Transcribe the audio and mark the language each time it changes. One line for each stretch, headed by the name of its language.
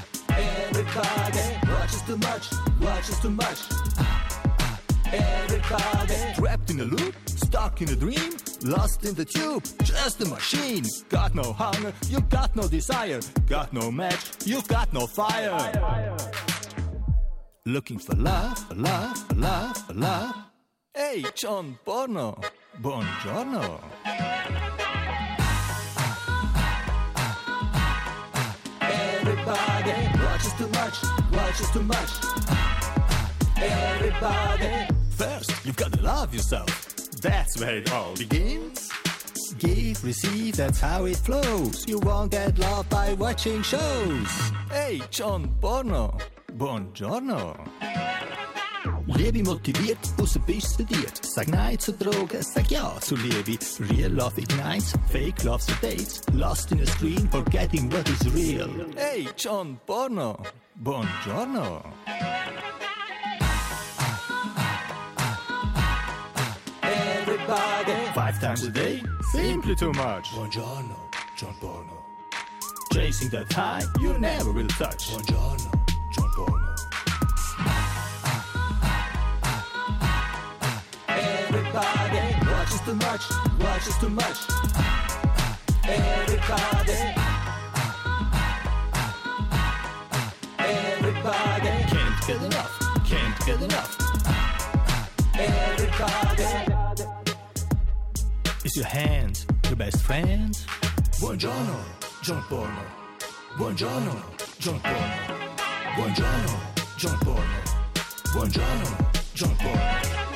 English: Everybody watches too much, watches too much. Everybody trapped in a loop, stuck in a dream, lost in the tube, just a machine. Got no hunger, you got no desire, got no match, you got no fire. Looking for love, love, love, love.
Italian: Hey, John Porno, buongiorno.
English: Everybody watches too much, watches too much. Everybody. First, you've got to love yourself. That's where it all begins. Give, receive, that's how it flows. You won't get love by watching shows.
Italian: Hey, John Porno. Buongiorno.
German: Liebe motiviert, außer bist sediert. Sag nein zu Drogen, sag ja zu Liebe.
English: Real love ignites, fake love for dates. Lost in a screen, forgetting what is real.
Italian: Hey, John Porno. Buongiorno.
English: Everybody. Five times a day, simply too much.
Italian: Buongiorno, John Porno.
English: Chasing that high, you never will touch.
Italian: Buongiorno.
English: Everybody watch is too much, watch is too much. Everybody, everybody can't get enough, can't get enough. Everybody, is your hands your best friend?
Italian: Buongiorno, John Porno. Buongiorno, John Porno. Buongiorno, John Porno. Buongiorno, John Porno.